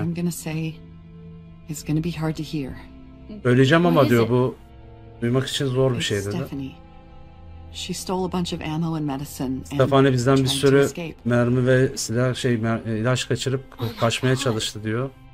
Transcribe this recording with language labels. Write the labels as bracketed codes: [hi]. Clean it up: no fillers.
[en] I'm gonna say it's gonna be hard to hear. [tr] Söyleyeceğim ama diyor, bu duymak için zor bir şey dedi. [en] She stole a bunch of ammo and medicine. [tr] Stephanie bizden bir sürü mermi ve silah ilaç kaçırıp kaçmaya çalıştı diyor.